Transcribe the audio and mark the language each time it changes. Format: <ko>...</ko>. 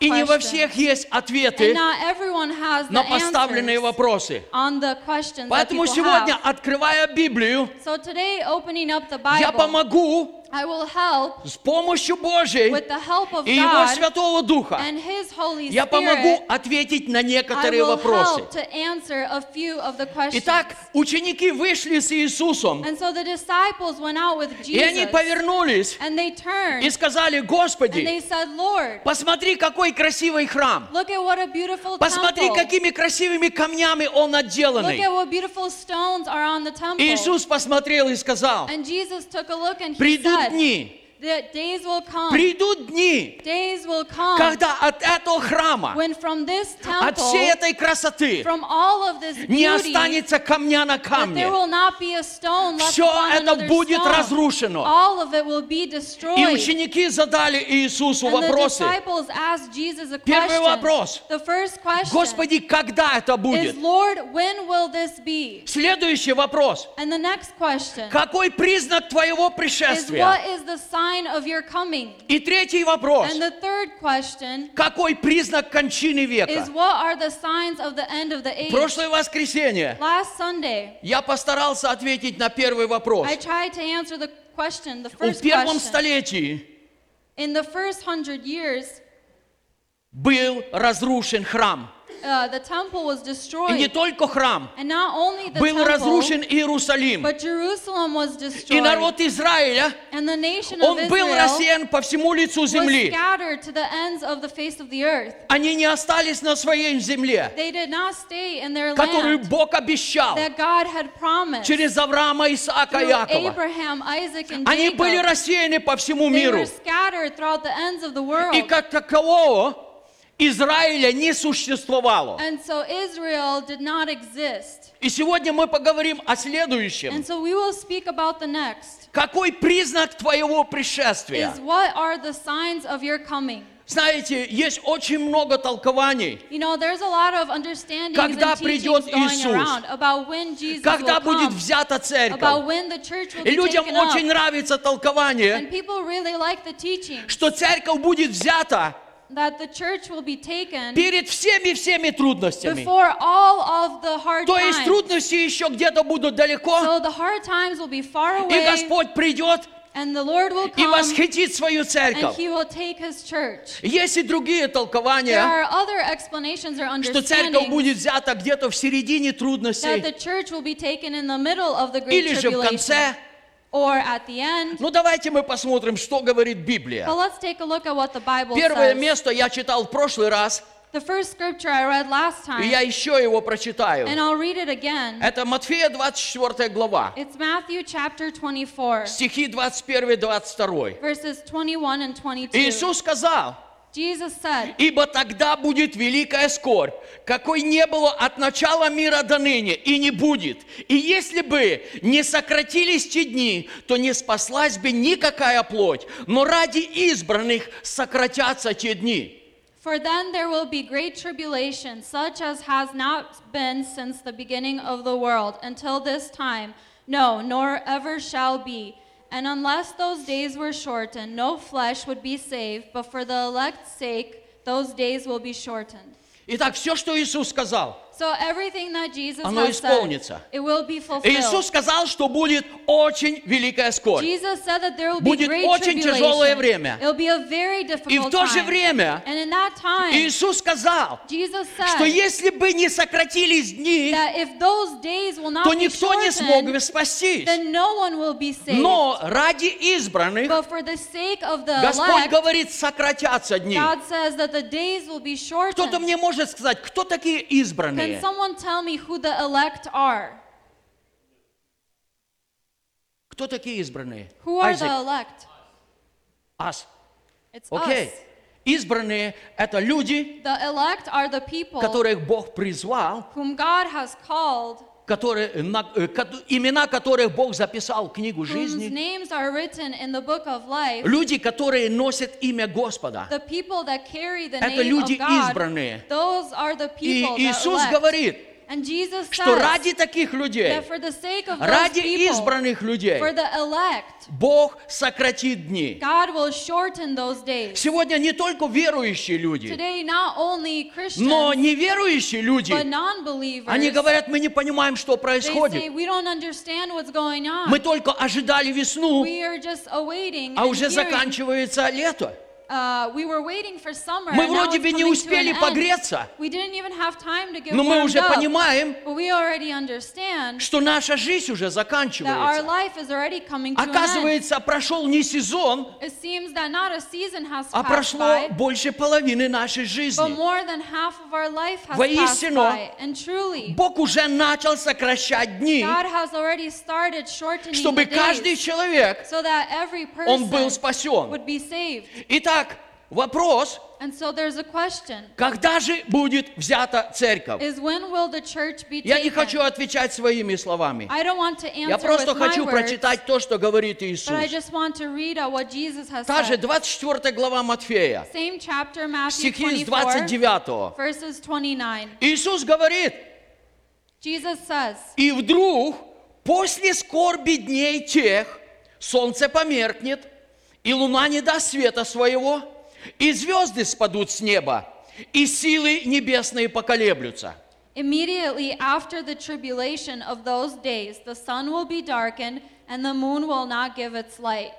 <ru>И не во всех есть ответы на поставленные вопросы.</ru> <en>On the questions</en> <ru>Поэтому</ru> <en>that people</en> <ru>сегодня,</ru> <en>have.</en> <ru>Открывая Библию,</ru> <en>so today, opening up the Bible,</en> <ru>я помогу</ru> <en>I will help</en> <ru>с помощью Божьей</ru> <en>with the help of</en> <ru>и Его Святого Духа</ru> <en>and His Holy Spirit,</en> <ru>я помогу ответить на некоторые</ru> <en>I will</en> <ru>вопросы.</ru> <en>Help to answer a few of the questions.</en> <ru>Итак, ученики вышли с Иисусом</ru> <en>and so the disciples went out with Jesus,</en> <ru>и они повернулись</ru> <en>and they turned,</en> <ru>и сказали, Господи,</ru> <en>and they said, Lord,</en> <ru>посмотри, какой красивый храм.</ru> <en>Look at what a beautiful temple.</en> <ru>Посмотри, какими красивыми камнями он отделанный.</ru> <en>Look at what beautiful stones are on the temple.</en> <ru>Иисус посмотрел и сказал,</ru> <en>and Jesus took a look and</en> <ru>приду дни.</ru> <en>That days will come.</en> <ru>Придут дни.</ru> <en>Days will come.</en> <ru>Когда от этого храма.</ru> <en>When from this temple.</en> <ru>От всей этой красоты.</ru> <en>From all of this beauty.</en> <ru>Не останется камня на камне.</ru> <en>There will not be a stone left upon another stone.</en> <ru>Все это будет разрушено.</ru> <en>All of it will be destroyed.</en> <ru>И ученики задали Иисусу вопросы.</ru> <en>And the disciples asked Jesus a question.</en> <ru>Первый вопрос.</ru> <en>The first question.</en> <ru>Господи, когда это будет?</ru> <en>Is Lord, when will this be?</en> <ru>Следующий вопрос.</ru> <en>And the next question.</en> <ru>Какой признак твоего пришествия?</ru> <en>Is what is the sign of your coming?</en> <ru>И третий вопрос.</ru> <en>And the third question.</en> <ru>Какой признак кончины века?</ru> <en>Is what are the signs of the end of the age?</en> <ru>Прошлое воскресенье.</ru> <en>Last Sunday.</en> <ru>Я постарался ответить на первый вопрос.</ru> <en>I tried to answer the question, the first question.</en> <ru>В первом столетии.</ru> <en>In the first 100 years.</en> <ru>Был разрушен храм.</ru> <en>the temple was destroyed.</en> <uk>І не тільки храм.</uk> <en>And not only the temple.</en> <uk>Був розрушен Єрусалим.</uk> <en>But Jerusalem was destroyed.</en> <uk>І народ Ізраїля.</uk> <en>And the nation of Israel.</en> <uk>Був розсіян по всьому лицу землі.</uk> <en>Was scattered to the ends of the face of the earth.</en> <uk>Вони не остались на своїй землі.</uk> <en>They did not stay in their land.</en> <ru>Которую</ru> <uk>Бог обіцяв.</uk> <en>That God had promised.</en> <uk>Через Авраама, Ісаака, Якова.</uk> <en>Through Abraham, Isaac, and Jacob.</en> <uk>Вони були розсіяні по всьому миру.</uk> <en>They were scattered throughout the ends of the world.</en> <ru>І як такового Израиля не существовало.</ru> <en>And so Israel did not exist.</en> <ru>И сегодня мы поговорим о следующем.</ru> <en>And so we will speak about the next.</en> <ru>Какой признак твоего пришествия?</ru> <en>Is what are the signs of your coming?</en> <ru>Знаете, есть очень много толкований.</ru> <en>You know, there's a lot of understanding.</en> <ru>Когда придет Иисус?</ru> <en>About when Jesus will come.</en> <ru>Когда будет</ru> <en>come,</en> <ru>взята церковь?</ru> <en>About when the church will be taken up.</en> <ru>Людям очень нравится толкование.</ru> <en>And people really like the teaching.</en> <ru>Что церковь будет взята?</ru> <en>That the church will be taken</en> <ru>перед всеми-всеми трудностями.</ru> <en>Before all of the hard times.</en> <ru>То есть трудности еще где-то будут далеко.</ru> <en>So the hard times will be far away.</en> <ru>И Господь придет.</ru> <en>And the Lord will come.</en> <ru>И восхитит свою церковь.</ru> <en>And he will take his church.</en> <ru>Есть и другие толкования.</ru> <en>There are other explanations or understandings.</en> <ru>Что церковь будет взята где-то в середине трудностей.</ru> <en>That the church will be taken in the middle of the great tribulation.</en> <ru>Или же в конце.</ru> <en>Or at the end.</en> <ru>Ну давайте мы посмотрим, что говорит Библия.</ru> <en>But let's take a look at what the Bible says.</en> <ru>Первое место я читал в прошлый раз.</ru> <en>The first scripture I read last time.</en> <ru>И я еще его прочитаю.</ru> <en>And I'll read it again.</en> <ru>Это Матфея 24 глава.</ru> <en>It's Matthew chapter 24.</en> <ru>Стихи 21-22.</ru> <en>Verses 21 and 22.</en> <ru>Иисус сказал.</ru> <en>Jesus said.</en> <ru>Ибо тогда будет великая скорбь, какой не было от начала мира до ныне, и не будет. И если бы не сократились те дни, то не спаслась бы никакая плоть, но ради избранных сократятся те дни.</ru> <en>For then there will be great tribulation, such as has not been since the beginning of the world, until this time, no, nor ever shall be. And unless those days were shortened, no flesh would be saved, but for the elect's sake, those days will be shortened.</en> <ru>Итак, все, что Иисус сказал,</ru> <en>so everything that Jesus</en> <ru>оно исполнится.</ru> <en>Has said, it will be fulfilled.</en> <ru>Иисус сказал, что будет очень великая скорбь.</ru> <en>Jesus said that there will be</en> <ru>будет</ru> <en>great</en> <ru>очень</ru> <en>tribulation.</en> <ru>Тяжелое время.</ru> <en>It will be a very difficult</en> <ru>и в то</ru> <en>time.</en> <ru>Же время</ru> <en>and in that time,</en> <ru>Иисус сказал,</ru> <en>Jesus said,</en> <ru>что если бы не сократились дни,</ru> <en>that if those days will not</en> <ru>то никто</ru> <en>be shortened,</en> <ru>не смог бы спастись.</ru> <en>Then no one will be saved.</en> <ru>Но ради избранных</ru> <en>but for the sake of the</en> <ru>Господь</ru> <en>elect,</en> <ru>говорит, сократятся дни.</ru> <en>God says that the days will be shortened.</en> <ru>Кто-то мне может сказать, кто такие избранные?</ru> <en>Can someone tell me who the elect are?</en> <ru>Кто такие избранные?</ru> <en>Who are the elect? Us. It's okay. Us.</en> <ru>Избранные это люди,</ru> <en>the elect are the people,</en> <ru>которых Бог призвал,</ru> <en>whom God has called,</en> <ru>которые, имена которых Бог записал в книгу жизни,</ru> <en>whose names are written in the book of life,</en> <ru>люди, которые носят имя Господа,</ru> <en>the people that carry the name</en> <ru>это люди</ru> <en>of God,</en> <ru>избранные.</ru> <en>Those are the people</en> <ru>и Иисус</ru> <en>that</en> <ru>говорит,</ru> <en>and Jesus says,</en> <ru>что ради таких людей,</ru> <en>that for the sake of those</en> <ru>ради</ru> <en>people,</en> <ru>избранных людей,</ru> <en>for the elect,</en> <ru>Бог сократит дни.</ru> <en>God will shorten those days.</en> <ru>Сегодня не только верующие люди,</ru> <en>today not only Christians,</en> <ru>но неверующие люди,</ru> <en>but non-believers,</en> <ru>они говорят, мы не понимаем, что происходит.</ru> <en>They say, we don't understand what's going on.</en> <ru>Мы только ожидали весну,</ru> <en>we are just awaiting,</en> <ru>а уже</ru> <en>hearing,</en> <ru>заканчивается лето.</ru> <en>We were waiting for summer.</en> <ru>Мы вроде бы не успели погреться.</ru> <en>We didn't even have time to get warmed up.</en> <ru>Но мы уже понимаем,</ru> <en>but we already understand,</en> <ru>что наша жизнь уже заканчивается.</ru> <en>That our life is already coming to an end.</en> <ru>Оказывается, прошел не сезон,</ru> <en>it seems that not a season has passed</en> <ru>а прошло больше половины нашей жизни.</ru> <en>But more than half of our life has</en> <ru>воистину,</ru> <en>passed by. And truly,</en> <ru>Бог уже начал сокращать дни,</ru> <en>God has already started shortening</en> <ru>чтобы</ru> <en>the</en> <ru>каждый</ru> <en>days,</en> <ru>человек,</ru> <en>so that every person</en> <ru>он был спасен.</ru> <en>Would be saved.</en> <ru>Итак, вопрос,</ru> <en>and so there's a question,</en> <ru>когда же будет взята церковь?</ru> <en>Is when will the church be taken?</en> <ru>Я не хочу отвечать своими словами.</ru> <en>I don't want to answer</en> <ru>я просто</ru> <en>with</en> <ru>хочу</ru> <en>my</en> <ru>прочитать</ru> <en>words,</en> <ru>то, что говорит Иисус.</ru> <en>But I just want to read what Jesus has</en> <ru>та</ru> <en>said.</en> <ru>Же 24 глава Матфея,</ru> <en>same chapter, Matthew</en> <ru>24, стихи с 29.</ru> <en>Verses 29.</en> <ru>Иисус говорит,</ru> <en>Jesus says,</en> <ru>и вдруг, после скорби дней тех, солнце померкнет, и луна не даст света своего, и звезды спадут с неба, и силы небесные поколеблются.</ru> <en>Immediately after the tribulation of those days, the sun will be darkened, and the moon will not give its light.</en>